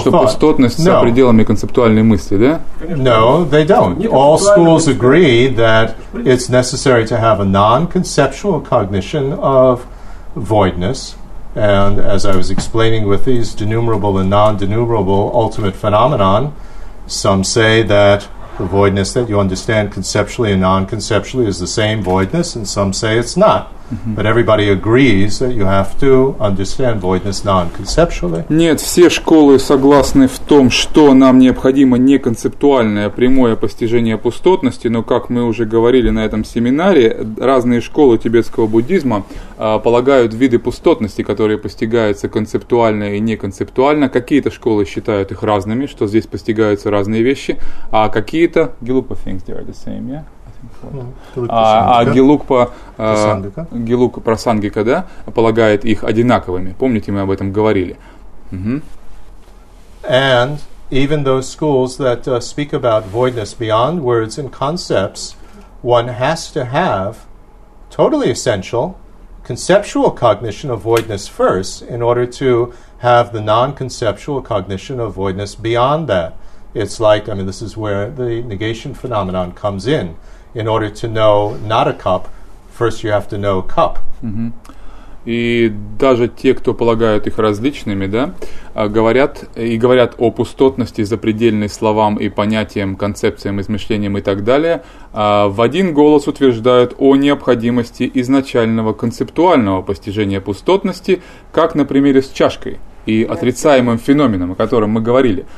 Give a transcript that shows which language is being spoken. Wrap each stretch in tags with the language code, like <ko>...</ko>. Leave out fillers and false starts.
<ru>Сказал, что пустотность за пределами концептуальной мысли, да?</ru> <en>No, they don't. All schools agree that it's necessary to have a non-conceptual cognition of voidness. And as I was explaining with these denumerable and non-denumerable ultimate phenomenon, some say that the voidness that you understand conceptually and non-conceptually is the same voidness, and some say it's not. Mm-hmm. But everybody agrees that you have to understand voidness non-conceptually.</en> <ru>Нет, все школы согласны в том, что нам необходимо не концептуальное, а прямое постижение пустотности, но как мы уже говорили на этом семинаре, разные школы тибетского буддизма полагают виды пустотности, которые постигаются концептуально и неконцептуально. Какие-то школы считают их разными, что здесь постигаются разные вещи, а какие-то глупо</ru> <en>things they are the same, yeah.</en> <ru>Гелук Прасангика, да, полагает их одинаковыми. Помните, мы об этом говорили.</ru> <en>And even those schools that speak about voidness beyond words and concepts, one has to have totally essential conceptual cognition of voidness first in order to have the non-conceptual cognition of voidness beyond that. It's like, I mean, this is where the negation phenomenon comes in. In order to know not a cup, first you have to know cup.</en> <ru>И даже те, кто полагают их различными, да, говорят о пустотности запредельной словам и понятиям, концепциям, измышлениям и так далее, в один голос утверждают о необходимости изначального концептуального постижения пустотности, как на примере с чашкой и отрицаемым феноменом, о котором мы говорили.</ru>